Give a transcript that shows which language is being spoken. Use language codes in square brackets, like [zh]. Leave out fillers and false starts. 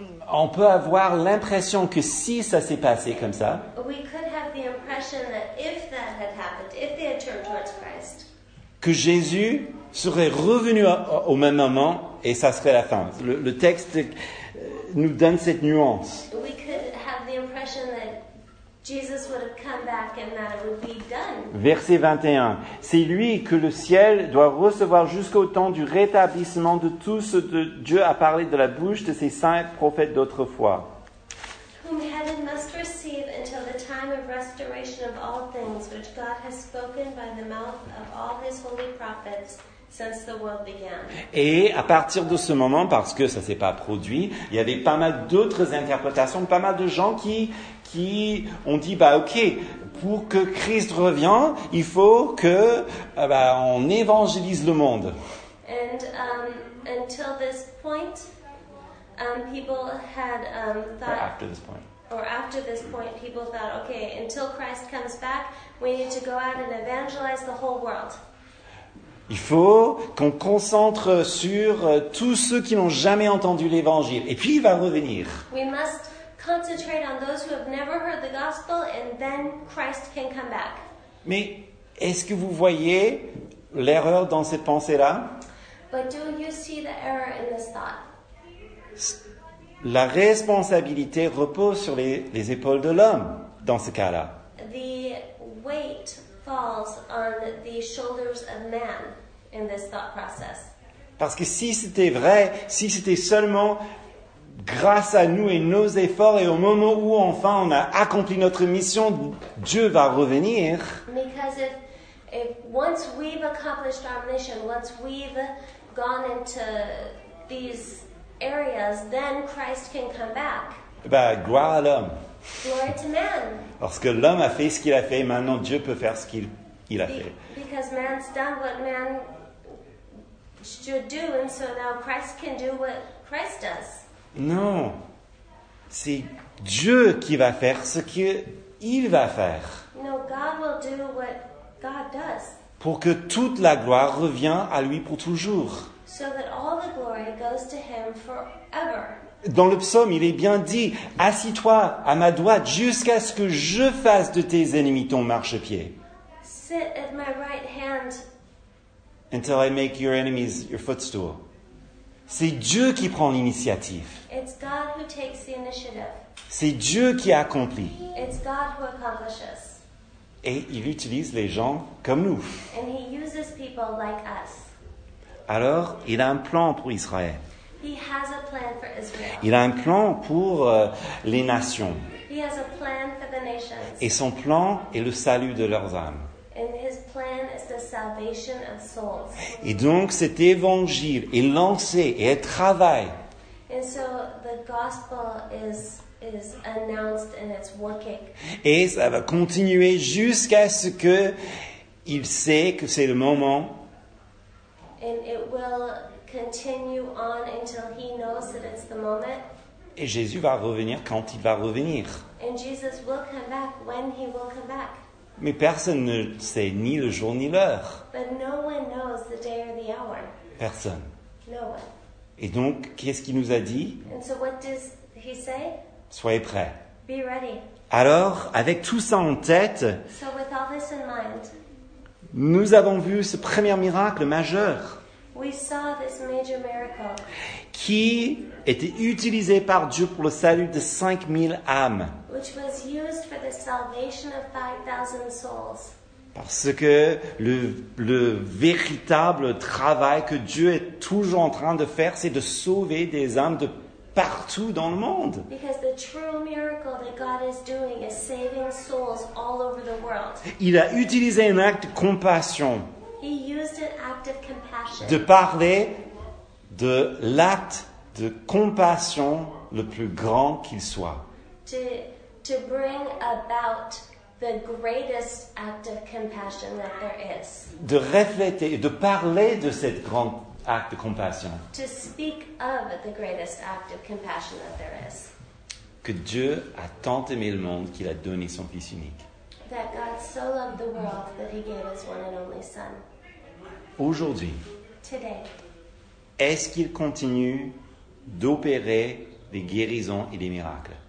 [fr] On peut avoir l'impression que si ça s'est passé comme ça. [en] We could have the impression that if that had happened, if they had turned towards Christ. [fr] Que Jésus serait revenu au même moment et ça serait la fin. Le texte nous donne cette nuance. [en] We could have the impression that Jesus would have come back and that it would be done. [fr] Verset 21. C'est lui que le ciel doit recevoir jusqu'au temps du rétablissement de tout ce que Dieu a parlé de la bouche de ses saints prophètes d'autrefois. [en] Whom heaven must receive until the time of restoration of all things which God has spoken by the mouth of all his holy prophets. Since the world began. [fr] Et à partir de ce moment, parce que ça ne s'est pas produit, il y avait pas mal d'autres interprétations, pas mal de gens qui ont dit, bah, ok, pour que Christ revienne, il faut que bah, on évangélise le monde. [en] And until this point, people had thought. Or after this point. Or after this point, people thought, okay, until Christ comes back, we need to go out and evangelize the whole world. [fr] Il faut qu'on concentre sur tous ceux qui n'ont jamais entendu l'évangile. Et puis, il va revenir. [en] We must concentrate on those who have never heard the gospel and then Christ can come back. [fr] Mais est-ce que vous voyez l'erreur dans cette pensée-là? [en] But do you see the error in this thought? [fr] La responsabilité repose sur les épaules de l'homme dans ce cas-là. [en] The weight falls on the shoulders of man in this thought process. [fr] Parce que si c'était vrai, si c'était seulement grâce à nous et nos efforts et au moment où enfin on a accompli notre mission, Dieu va revenir. [en] Because if once we've accomplished our mission, once we've gone into these areas, then Christ can come back. [fr] Bah, gloire à l'homme. [en] Glory to man. [fr] Parce que l'homme a fait ce qu'il a fait, maintenant Dieu peut faire ce qu'il il a fait. [en] Because man's done what man should do, and so now Christ can do what Christ does. [fr] Non, c'est Dieu qui va faire ce qu'il va faire. [en] No, God will do what God does. [fr] Pour que toute la gloire revienne à lui pour toujours. [en] So that all the glory goes to him forever. [fr] Dans le psaume, il est bien dit, assis-toi à ma droite jusqu'à ce que je fasse de tes ennemis ton marchepied. [en] Sit at my right hand. Until I make your enemies your footstool. [fr] C'est Dieu qui prend l'initiative. [en] It's God who takes the initiative. [fr] C'est Dieu qui accomplit. [en] It's God who accomplishes. [fr] Et il utilise les gens comme nous. [en] And he uses people like us. [fr] Alors, il a un plan pour Israël. [en] He has a plan for Israel. [fr] Il a un plan pour les nations. [en] He has a plan for the nations. [fr] Et son plan est le salut de leurs âmes. [en] And his plan is the salvation of souls. [fr] Et donc cet évangile est lancé et est travaillé. [en] And so the gospel is announced and it's working. [fr] Et ça va continuer jusqu'à ce que il sait que c'est le moment. [en] And it will continue on until he knows that it's the moment. [fr] Et Jésus va revenir quand il va revenir. [en] And Jesus will come back when he will come back. [fr] Mais personne ne sait ni le jour ni l'heure. [en] But no one knows the day or the hour. [fr] Personne. [en] No one. [fr] Et donc, qu'est-ce qu'il nous a dit? [en] And so what does he say? [fr] Soyez prêts. [en] Be ready. [fr] Alors, avec tout ça en tête, [en] so with all this in mind, [fr] nous avons vu ce premier miracle majeur [en] we saw this major miracle. [fr] Qui était utilisé par Dieu pour le salut de 5000 âmes. [en] Which was used for the salvation of 5000 souls. [fr] Parce que le véritable travail que Dieu est toujours en train de faire, c'est de sauver des âmes de partout dans le monde. [en] Because the true miracle that God is doing is saving souls all over the world. [fr] Il a utilisé un acte de compassion. [en] He used an act of compassion. [fr] De parler de l'acte de compassion le plus grand qu'il soit. [en] To bring about the greatest act of compassion that there is. [fr] De refléter, de parler de cet grand acte de compassion. [en] To speak of the greatest act of compassion that there is. [fr] Que Dieu a tant aimé le monde qu'il a donné son Fils unique. [en] That God so loved the world that he gave his one and only Son. [fr] Aujourd'hui, [en] today, [fr] est-ce qu'il continue d'opérer des guérisons et des miracles?